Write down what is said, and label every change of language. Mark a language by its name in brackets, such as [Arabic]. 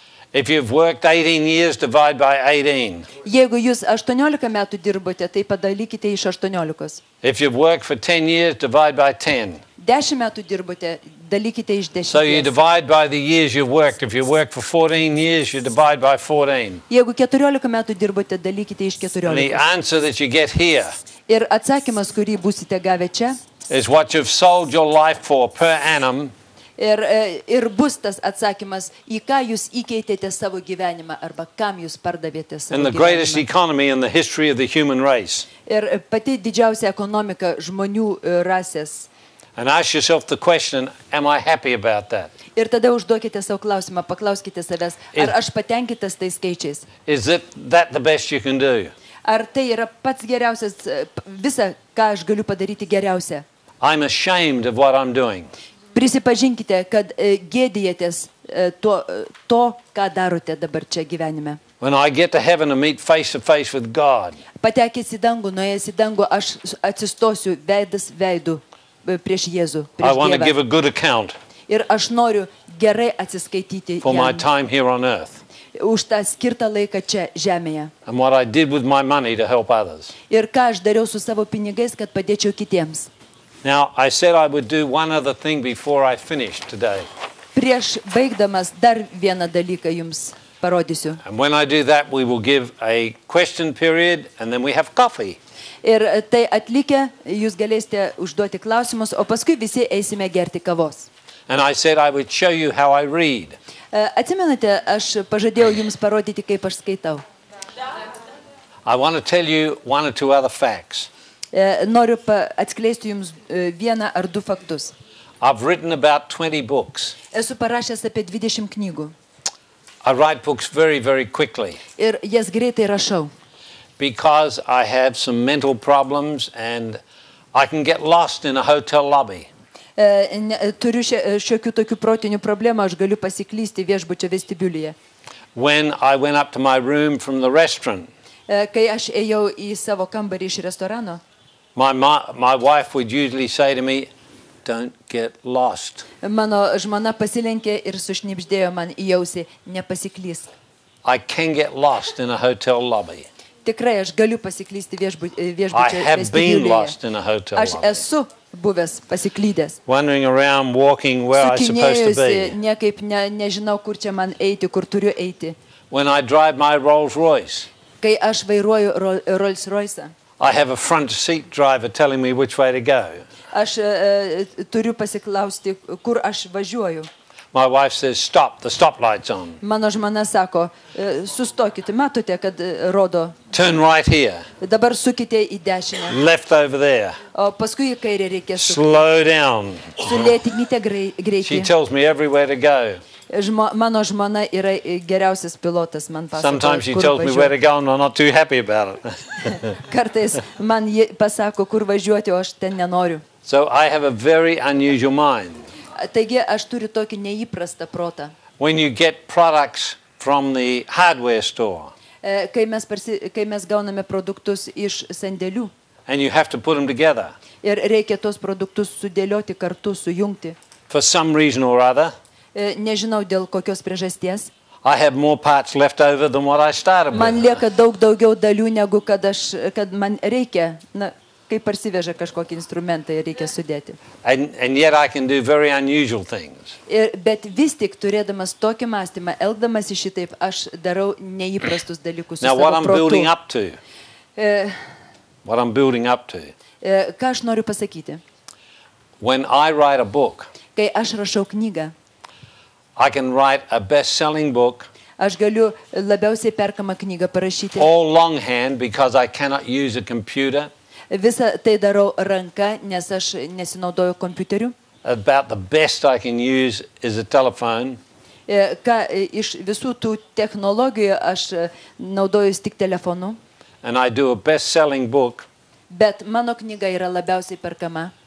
[English] If you've worked 18 years, divide by 18. [Lithuanian] Jeigu jūs 18 metų dirbote, tai padalykite iš 18. [English] If you've worked for 10 years, divide by 10. [Lithuanian] 10 metų dirbote, dalykite iš 10. [English] So you divide by the years you've worked. If you work for 14 years, you divide by 14. [Lithuanian] Jeigu 14 metų dirbote, dalykite iš 14. [English] And the answer that you get here. [Lithuanian] Ir atsakymas, kurį būsite gavę čia, [English] is what you've sold your life for per annum. [Lithuanian] Ir bus tas atsakymas, į ką jūs įkeitėte savo gyvenimą arba kam jūs pardavėte savo gyvenimą. [English] And the greatest economy in the history of the human race. [Lithuanian] Ir pati didžiausia ekonomika žmonių rasės. [English] And ask yourself the question, am I happy about that? [Lithuanian] Ir tada užduokite savo klausimą, paklauskite savęs, ar aš patenkintas tais skaičiais? [English] Is it that the best you can do? [Lithuanian] ar tai yra pats geriausias, visa, ką aš galiu padaryti geriausia. [English] I'm ashamed of what I'm doing. [Lithuanian] Prisipažinkite, kad gėdijatės to, ką darote dabar čia gyvenime. [English] When I get to heaven and meet face to face with God. [Lithuanian] Patekęs į dangų, nuėjęs į dangų, aš atsistosiu veidas veidu prieš Jėzų, prieš [English] Dievą. I want to give a good account. [Lithuanian] Ir aš noriu gerai atsiskaityti [English] for my time here on earth. [Lithuanian] Už tą skirtą laiką čia žemėje. [English] And what I did with my money to help others. [Lithuanian] Ir ką aš dariau su savo pinigais, kad padėčiau kitiems. [English] Now I said I would do one other thing before I finish today. [Lithuanian] Prieš baigdamas dar vieną dalyką jums parodysiu. [English] And when I do that we will give a question period and then we have coffee. [Lithuanian] Ir tai atlikę jūs galėsite užduoti klausimus, o paskui visi eisime gerti kavos. [English] And I said I would show you how I read. [Lithuanian] Atsimenate, aš pažadėjau jums parodyti, kaip aš skaitau. [English] I want to tell you one or two other facts. [Lithuanian] Noriu atskleisti jums vieną ar du faktus. [English] I've written about 20 books. [Lithuanian] Esu parašęs apie 20 knygų. [English] I write books very, very quickly. [Lithuanian] Ir jas greitai rašau. [English] Because I have some mental problems and I can get lost in a hotel lobby. [Lithuanian] Turiu šiokių tokių protinių problemų, aš galiu pasiklysti viešbučio vestibiulyje. [English] When I went up to my room from the restaurant. [Lithuanian] Kai aš ėjau į savo kambarį iš restorano. [English] My wife would usually say to me, don't get lost. [Lithuanian] Mano žmona pasilenkė ir sušnibždėjo man į ausį, nepasiklysk. [English] I can get lost in a hotel lobby. [Lithuanian] Tikrai aš galiu pasiklysti viešbučio vestibiulyje. Aš esu buvęs pasiklydęs. [English] Wandering around walking where I supposed to be. [Lithuanian] Niekaip nežinau, kur čia man eiti, kur turiu eiti. [English] When I drive my Rolls-Royce. [Lithuanian] Kai aš vairuoju Rolls-Royce. [English] I have a front seat driver telling me which way to go. [Lithuanian] Aš turiu pasiklausti, kur aš važiuoju. [English] My wife says stop, the stop light's on. [Lithuanian] Mano žmona sako, sustokite, matote, kad rodo. [English] Turn right here. [Lithuanian] Dabar sukite į dešinę. [English] Left over there. [Lithuanian] O paskui į kairę reikia sukti. [English] Slow down. [Lithuanian] Sulėtinkite greitį. [English] She tells me everywhere to go. [Lithuanian] Mano žmona yra geriausias pilotas, man pasako, [English] sometimes she tells me where to go and I'm not too happy about it. [Lithuanian] Kartais man ji pasako, kur važiuoti, o aš ten nenoriu. [English] So I have a very unusual mind. [Lithuanian] Taigi aš turiu tokį neįprastą protą. [English] When you get products from the hardware store. [Lithuanian] Kai mes gauname produktus iš sandėlių. [English] And you have to put them together. [Lithuanian] Ir reikia tos produktus sudėlioti kartu, sujungti. [English] For some reason or other. [Lithuanian] Nežinau dėl kokios priežasties. [English] I have more parts left over than what I started with. [Lithuanian] Man lieka daug daugiau dalių negu kad man reikia. Na, kai parsiveža kažkokį instrumentą ir reikia sudėti. [English] And yet I can do very unusual things. [Lithuanian] Bet vis tik turėdamas tokį mąstymą, elgdamasi šitaip, aš darau neįprastus dalykus su savo [English] Now what I'm building up to. What I'm building up to. [Lithuanian] Ką aš noriu pasakyti? [English] When I write a book. [Lithuanian] Kai aš rašau knygą. [English] I can write a best-selling book. [Lithuanian] Aš galiu labiausiai perkamą knygą parašyti. [English] All longhand because I cannot use a computer. [Lithuanian] Visa tai darau ranka, nes aš nesinaudoju kompiuteriu. [English] About the best I can use is a telephone. [Lithuanian] Ką iš visų tų technologijų aš naudojuosi tik telefonu. [English] And I do a best-selling book. [Lithuanian] Bet mano knyga yra labiausiai perkama.